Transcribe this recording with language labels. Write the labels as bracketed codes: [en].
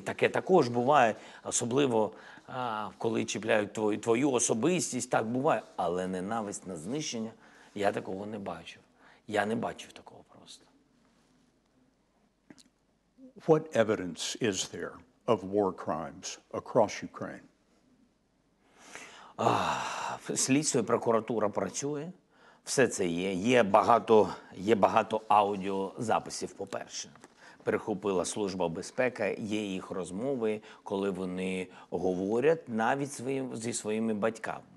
[uk] Таке також буває, особливо коли чіпляють твою особистість, так буває. Але ненависть на знищення, я такого не бачив. Я не бачив такого просто. [en] What evidence is there of war crimes across Ukraine? [uk] Слідство і прокуратура працює. Все це є. Є багато аудіозаписів, по-перше. Прихопила Служба безпеки, є їх розмови, коли вони говорять навіть зі своїми батьками.